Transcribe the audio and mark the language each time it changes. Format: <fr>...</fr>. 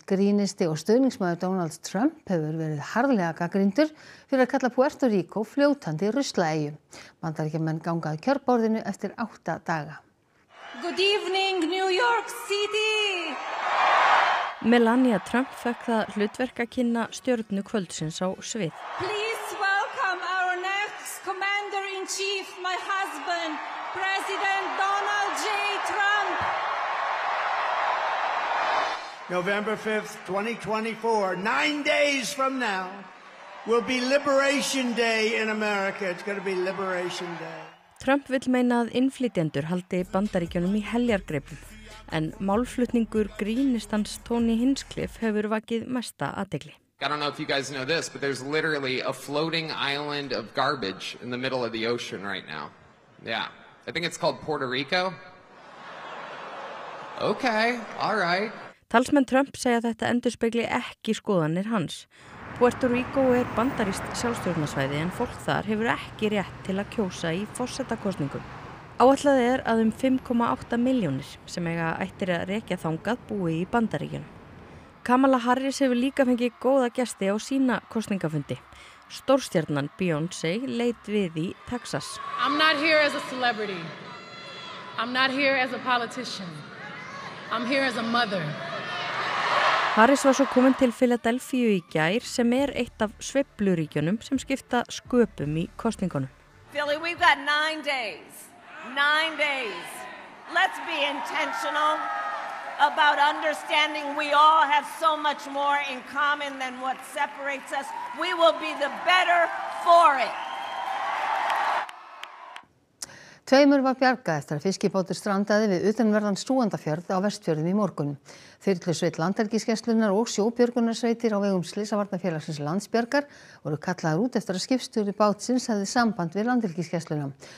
<is>Grínisti og stuðningsmaður Donald Trump hefur verið harðlega gagnrýndur fyrir að kalla Puerto Rico fljótandi ruslaeyju. Bandaríkjamenn ganga að kjörborðinu eftir 8 daga.</is> <en>Good evening, New York City!</en> <is>Melania Trump fekk það hlutverk að kynna stjörnu kvöldsins á svið.</is> <en>Please welcome our next commander-in-chief, my husband, President Donald J. Trump. November 5th, 2024, 9 days from now, will be Liberation Day in America. It's going to be Liberation Day.</en> <is>Trump vill meina að innflytjendur haldi Bandaríkjunum í heljargreipum, en málflutningur grínistans Tony Hinchcliffe hefur vakið mesta athygli.</is> <en>I don't know if you guys know this, but there's literally a floating island of garbage in the middle of the ocean right now. Yeah, I think it's called Puerto Rico. Okay, all right.</en> <is>Talsmenn Trump segja þetta endurspegli ekki skoðanir hans. Puerto Rico bandarískt sjálfstjórnarsvæði en fólk þar hefur ekki rétt til að kjósa í forsetakosningum. Áætlað að 5,8 milljónir sem eiga ættir að rekja þangað búi í Bandaríkjunum. Kamala Harris hefur líka fengið góða gesti á sína kosningafundi. Stórstjarnan Beyoncé leit við í Texas.</is> <en>I'm not here as a celebrity. I'm not here as a politician. I'm here as a mother.</en> <is>Harris var svo komin til Philadelphia í gær sem eitt af sveifluríkjunum sem skipta sköpum í kosningunum.</is> <en>Philly, we've got 9 days. 9 days. Let's be intentional about understanding we all have so much more in common than what separates us. We will be the better for it.</en> <is>Tveimur var bjargað eftir að fiskibótur strandaði við utanverðan Súgandafjörð á Vestfjörðum í morgun. Þyrlusveit Landhelgisgæslunar og sjóbjörgunarsveitir á vegum Slysavarnafélagsins Landsbjargar voru kallaðar út eftir að skipstjóri bátsins hafði samband við Landhelgisgæsluna.</is>